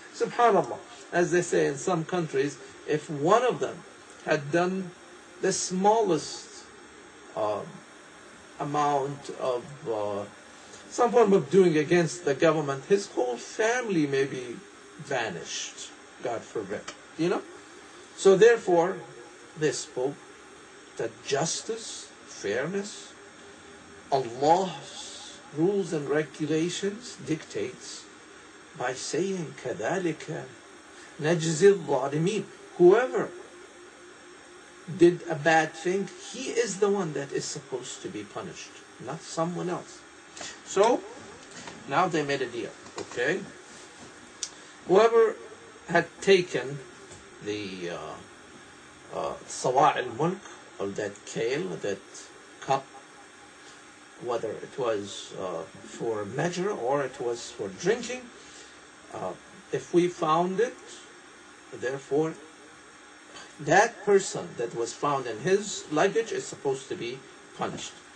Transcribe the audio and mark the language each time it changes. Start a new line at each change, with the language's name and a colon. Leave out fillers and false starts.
English: Subhanallah, as they say in some countries, if one of them had done the smallest amount of some form of doing against the government, his whole family may be vanished, God forbid. So therefore, they spoke that justice, fairness, Allah's rules and regulations dictates by saying
Arabic: كَذَلِكَ نَجْزِي الظَّالِمِينَ.
English: Whoever did a bad thing, he is the one that is supposed to be punished, not someone else. So, now they made a deal, okay? Whoever had taken the
Arabic: صَوَاعِ الْمُلْكِ,
English: or that kale, that cup, whether it was for measure or it was for drinking, if we found it, therefore, that person that was found in his luggage is supposed to be punished.